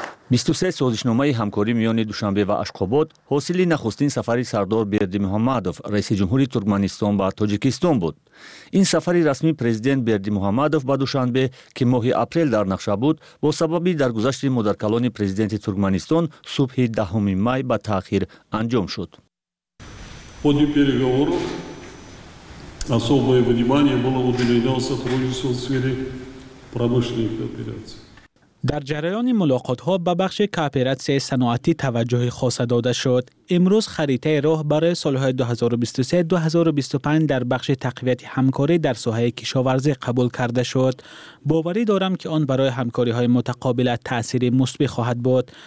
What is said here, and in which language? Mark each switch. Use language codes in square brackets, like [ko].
[tg] 23 созишномаи ҳамкорӣ миёни Душанбе ва Ашқобод ҳосили нахустин сафари сардор Берди Муҳаммадов, раиси ҷумҳурии Туркманистон ба Тоҷикистон буд. Ин сафари расми президент Берди Муҳаммадов ба Душанбе, ки моҳи апрел дар нақша буд, бо сабаби даргузашти модаркалони президенти Туркманистон субҳи 10 май ба таъхир анҷом шуд. [ru] Ходи переговоров особое внимание было уделено сотрудничеству в сфере промышленной кооперации. [fa] در جریان ملاقات‌ها به بخش کوپراتیو صنعتی توجه خاص داده شد. امروز خریطه راه برای سال‌های 2023-2025 در بخش تقویت همکاری در ساحه کشاورزی قبول کرده شد. باوری دارم که آن برای همکاری‌های متقابل تأثیر مثبت خواهد بود.